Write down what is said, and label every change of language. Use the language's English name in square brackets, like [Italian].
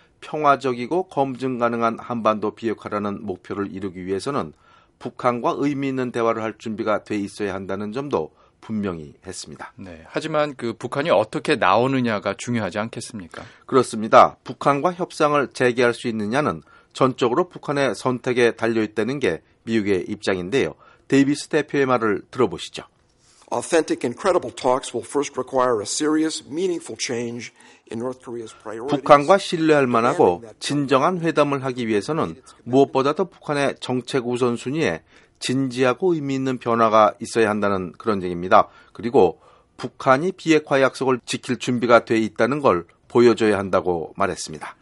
[Korean] 평화적이고 검증 가능한 한반도 비핵화라는 목표를 이루기 위해서는 북한과 의미 있는 대화를 할 준비가 돼 있어야 한다는 점도 분명히 했습니다. 네, 하지만 그 북한이 어떻게 나오느냐가 중요하지 않겠습니까? 그렇습니다. 북한과 협상을 재개할 수 있느냐는 전적으로 북한의 선택에 달려있다는 게 미국의 입장인데요. 데이비스 대표의 말을 들어보시죠. [English] Authentic and credible talks will first require a serious, meaningful change in North Korea's priorities. [Korean] 북한과 신뢰할 만하고 진정한 회담을 하기 위해서는 무엇보다도 북한의 정책 우선순위에 진지하고 의미 있는 변화가 있어야 한다는 그런 얘기입니다. 그리고 북한이 비핵화 약속을 지킬 준비가 돼 있다는 걸 보여줘야 한다고 말했습니다.